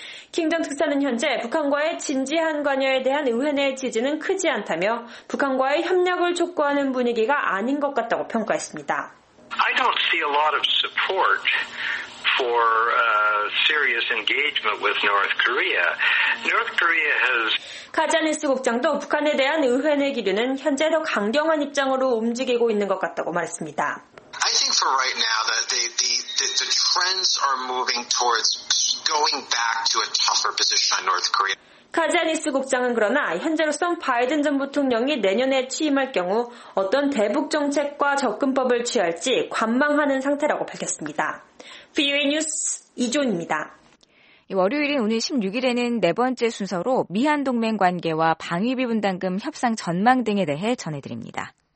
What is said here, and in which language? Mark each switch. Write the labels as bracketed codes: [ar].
[ko] 킹전 특사는 현재 북한과의 진지한 관여에 대한 의회 내 지지는 크지 않다며 북한과의 협력을 촉구하는 분위기가 아닌 것 같다고 평가했습니다. [en] I don't see a lot of support. For serious engagement with North Korea. North Korea has. [ko] 카자니스 국장도 북한에 대한 의회 내 기류는 현재도 강경한 입장으로 움직이고 있는 것 같다고 말했습니다. [en] I think for right now that the trends are moving towards going back to a tougher position on North Korea. [ko] 카자니스 국장은 그러나 현재로선 바이든 전 부통령이 내년에 취임할 경우 어떤 대북 정책과 접근법을 취할지 관망하는 상태라고 밝혔습니다. VOA 뉴스 이존입니다. 월요일인 오늘 16일에는 네 번째 순서로 미한동맹 관계와 방위비 분담금 협상 전망 등에 대해 전해드립니다.